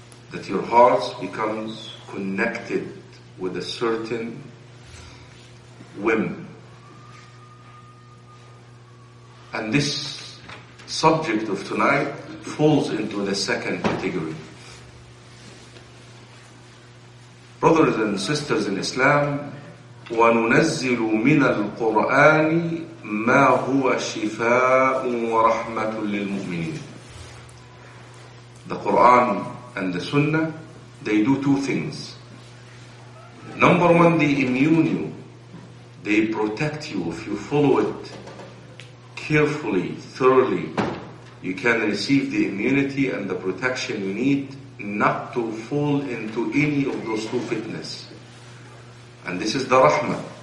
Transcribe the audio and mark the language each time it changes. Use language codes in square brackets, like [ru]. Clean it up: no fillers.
[en] That your heart becomes connected with a certain whim. And this subject of tonight falls into the second category. Brothers and sisters in Islam, [ar] وَنُنَزِّلُ مِنَ الْقُرْآنِ مَا هُوَ شِفَاءٌ وَرَحْمَةٌ لِلْمُؤْمِنِينَ. [en] The Quran and the Sunnah, they do two things. Number one, they immune you. They protect you. If you follow it carefully, thoroughly, you can receive the immunity and the protection you need not to fall into any of those two fitness. And this is the Rahmah.